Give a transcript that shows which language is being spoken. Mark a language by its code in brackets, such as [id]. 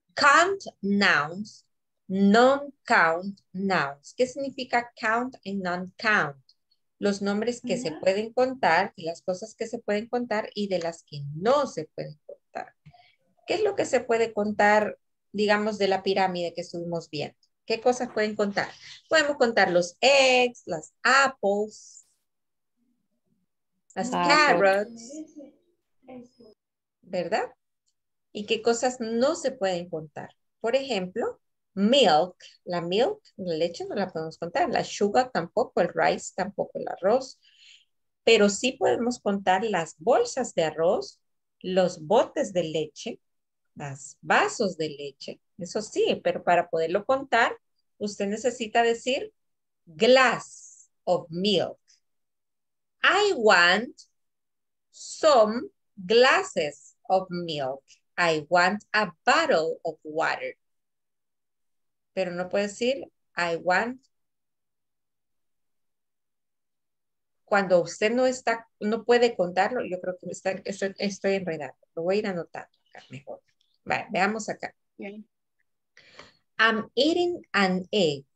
[en] Count nouns, non-count nouns. [es] ¿Qué significa count y non-count? Los nombres que se pueden contar, las cosas que se pueden contar y de las que no se pueden contar. ¿Qué es lo que se puede contar, digamos, de la pirámide que estuvimos viendo? ¿Qué cosas pueden contar? Podemos contar los eggs, las apples, las carrots, ¿verdad? ¿Y qué cosas no se pueden contar? Por ejemplo, milk, la milk, la leche no la podemos contar, la sugar tampoco, el rice tampoco, el arroz, pero sí podemos contar las bolsas de arroz, los botes de leche, los vasos de leche, eso sí, pero para poderlo contar, usted necesita decir [en] glass of milk. I want some glasses of milk. I want a bottle of water. [es] Pero no puede decir, [en] I want. [es] Cuando usted no está, no puede contarlo, yo creo que está, estoy enredando. Lo voy a ir anotando acá mejor. Vale, veamos acá. [en] I'm eating an egg.